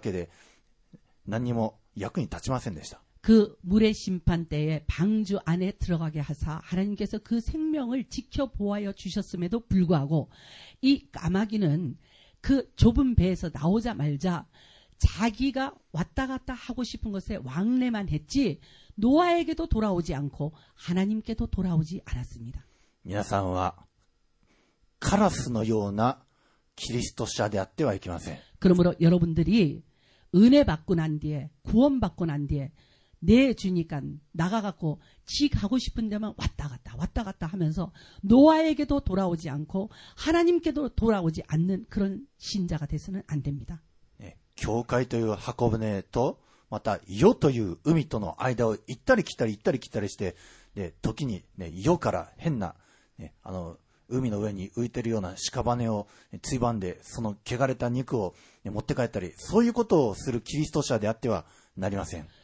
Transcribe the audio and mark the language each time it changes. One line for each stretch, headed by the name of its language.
Japanese: 箱舟にとっても主人であるノアにとっても何の益ももたらさないで、ただ行ったり来たりするだけで何にも役に立ちませんでした。
Korean: 그 물의 심판 때에 방주 안에 들어가게 하사 하나님께서 그 생명을 지켜보아여 주셨음에도 불구하고 이 까마귀는 그 좁은 배에서 나오자 말자 자기가 왔다 갔다 하고 싶은 것에 왕래만 했지 노아에게도 돌아오지 않고 하나님께도 돌아오지 않았습니다.
Japanese: 皆さんはカラスのようなキリスト者であってはいけません。
Korean: 그러므로 여러분들이 은혜 받고 난 뒤에 구원 받고 난 뒤에 내 주니까 나가갖고 지 가고 싶은 데만 왔다 갔다 왔다 갔다 하면서 노아에게도 돌아오지 않고 하나님께도 돌아오지 않는 그런 신자가 돼서는 안 됩니다.
Japanese: 네, 교회という 箱舟と また世という 海との 間を 行ったり 来たり 行ったり 来たり して で 時に ね 世から 変な ね 海の上に浮いてるような屍をついばんで、その汚れた肉を持って帰ったり、そういうことをするキリスト者であってはなりません。